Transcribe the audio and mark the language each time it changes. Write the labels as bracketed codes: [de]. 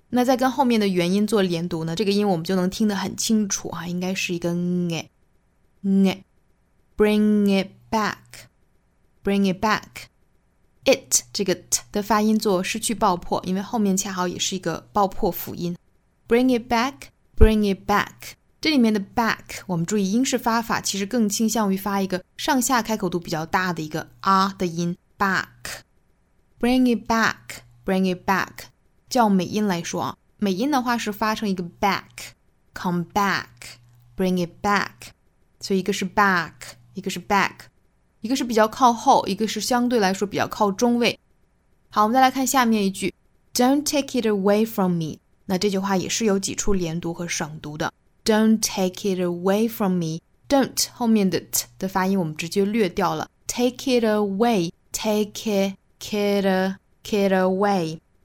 [zh] 那再跟后面的元音做连读呢这个音我们就能听得很清楚啊应该是一个 nge, nge, [en] bring it back, bring it back. [zh] It, 这个 t 的发音做失去爆破因为后面恰好也是一个爆破辅音。 [en] Bring it back, bring it back. [zh] 这里面的 back, 我们注意英式发法其实更倾向于发一个上下开口度比较大的一个 r 的音 back. [en] Bring it back, bring it back. [zh] 叫美音来说美音的话是发成一个 back, come back, bring it back, 所以一个是 back, 一个是 back, 一个是比较靠后一个是相对来说比较靠中位。好我们再来看下面一句 [en] Don't take it away from me, [zh] 那这句话也是有几处连读和省读的 [en] Don't take it away from me, don't [zh] 后面的 t 的发音我们直接略掉了 [en] Take it away, take it, get away,